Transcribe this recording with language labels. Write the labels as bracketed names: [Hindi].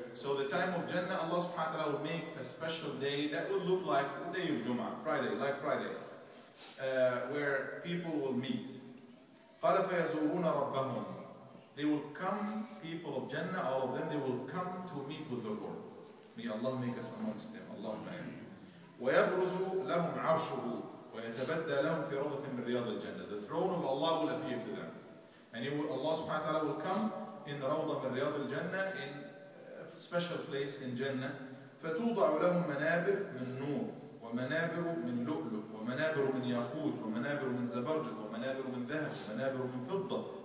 [English] So the time of Jannah, Allah subhanahu wa ta'ala will make a special day that will look like the day of Jum'ah, Friday, like Friday, where people will meet. [Arabic] قَالَ فَيَزُورُونَ رَبَّهُمْ. [English] They will come, people of Jannah, all of them, they will come to meet with the Lord. May Allah make us amongst them. [Arabic] Allahumma ya. وَيَبْرُزُ لَهُمْ عَرْشُهُ وَيَتَبَدَّى لَهُمْ فِي رَوْضَةٍ مِنْ رِيَاضِ الْجَنَّةِ. [English] The throne of Allah will appear to them. And he will, Allah subhanahu wa ta'ala will come in [Arabic] رَوْضَ مِنْ رِيَاضِ الْجَنَّةِ, [English] in a special place in Jannah. [Arabic] فَتُوضَعُ لَهُمْ مَنَابِرُ مِنْ نُورٍ وَمَنَابِرُ مِنْ لُؤْلُؤٍ وَمَنَابِرُ مِنْ يَاقُوتٍ وَمَنَابِرُ مِنْ زَبَرْجَدٍ وَمَنَابِرُ مِنْ ذَهَبٍ وَمَنَابِرُ مِنْ فِضَّةٍ.